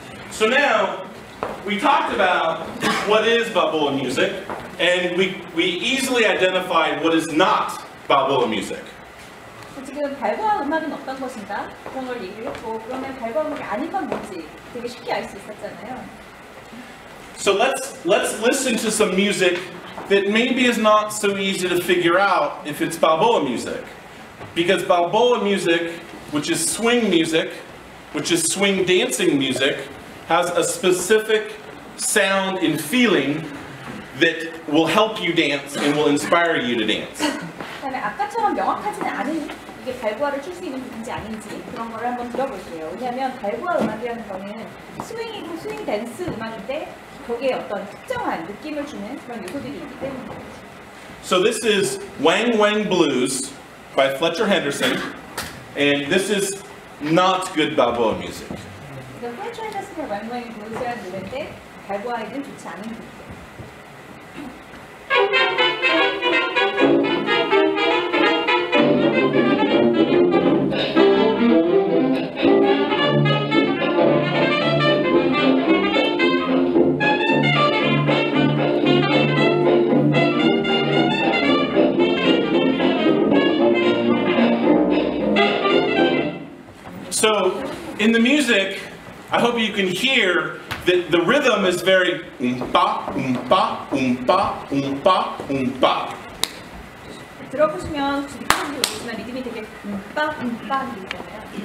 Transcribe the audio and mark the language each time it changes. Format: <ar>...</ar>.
<en>So now, we talked about what is Balboa music, and we easily identified what is not Balboa music.</en> <ko>지금 발보아 음악은 어떤 것인가? 그런 걸 얘기를 했고, 그러면 발보아 음악이 아닌 건 뭔지 되게 쉽게 알 수 있었잖아요.</ko> <en>So let's listen to some music that maybe is not so easy to figure out if it's Balboa music. Because Balboa music, which is swing music, which is swing dancing music, has a specific sound and feeling that will help you dance and will inspire you to dance.</en> <ko>그다음에 아까처럼 명확하진 않은 이게 발보아를 출 수 있는 부분인지 아닌지 그런 걸 한번 들어볼게요. 왜냐하면 발보아 음악이라는 거는 스윙이고 스윙 댄스 음악인데 거기에 어떤 특정한 느낌을 주는 그런 요소들이 있기 때문에.</ko> <en>So this is Wang Wang Blues by Fletcher Henderson, and this is not good Balboa music.</en> <ko>이건 Fletcher Henderson의 Wang Wang Blues라는 노래인데 발보아에는 좋지 않은 곡.</ko> <en>So, in the music, I hope you can hear that the rhythm is very oompa, oompa, oompa, oompa, oompa.</en> <ko>들어보시면 지금 리듬이 되게 음빠 음빠 리듬이잖아요.</ko>